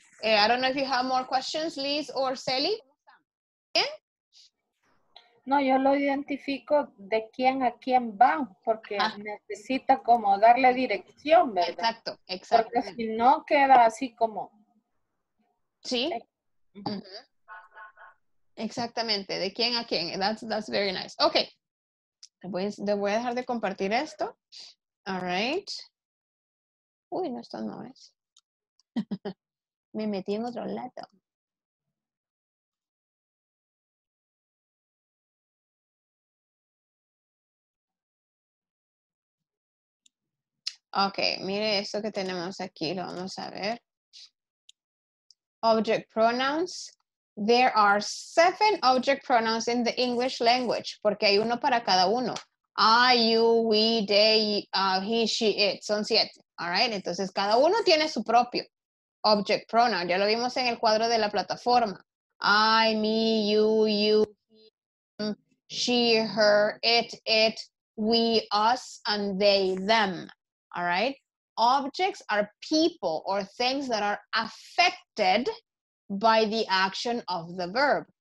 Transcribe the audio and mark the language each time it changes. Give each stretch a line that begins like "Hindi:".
English: I don't know if you have more questions, Liz or Sally.
Spanish: ¿Bien? No, yo lo identifico de quién a quién van, porque necesita como darle dirección, ¿verdad? Exacto, exacto. Porque si no, queda así como... Sí. Uh-huh. Exactamente, de quién a quién.
English: That's very nice.
Spanish: Ok. Voy a dejar de compartir esto.
English: All right.
Spanish: Uy, no, esto no es. Me metí en otro lado. Ok, mire esto que tenemos aquí, lo vamos a ver.
English: Object pronouns. There are 7 object pronouns in the English language,
Spanish: porque hay uno para cada uno.
English: I, you, we, they, he, she, it.
Spanish: Son 7.
English: All right,
Spanish: entonces cada uno tiene su propio object pronoun. Ya lo vimos en el cuadro de la plataforma.
English: I, me, you, him, she, her, it, we, us, and they, them. All right? Objects are people or things that are affected by the action of the verb.